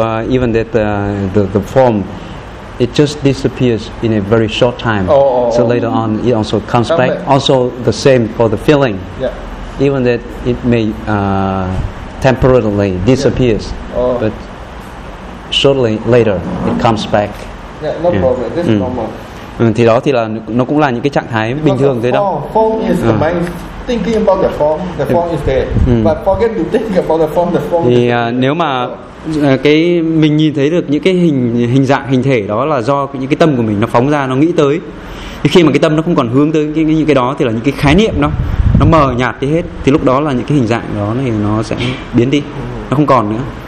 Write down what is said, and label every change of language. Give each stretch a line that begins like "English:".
English: Even that the form, it just disappears in a very short time. Later on, it also comes back. Also, the same for the feeling. Yeah. Even that it may temporarily disappears, but shortly later it comes back. Yeah, no problem. This is normal.
Vietnamese: Thì đó thì là nó cũng là những cái trạng thái
English: because
Vietnamese: bình thường thế đó.
English: Form is the mind thinking about the form. The form is there. But forget to think about the form. The form.
Vietnamese: Thì nếu mà cái mình nhìn thấy được những cái hình dạng hình thể đó là do những cái tâm của mình nó phóng ra, nó nghĩ tới. Thì khi mà cái tâm nó không còn hướng tới những cái đó thì là những cái khái niệm nó mờ nhạt đi hết. Thì lúc đó là những cái hình dạng đó này nó sẽ biến đi. Nó không còn nữa.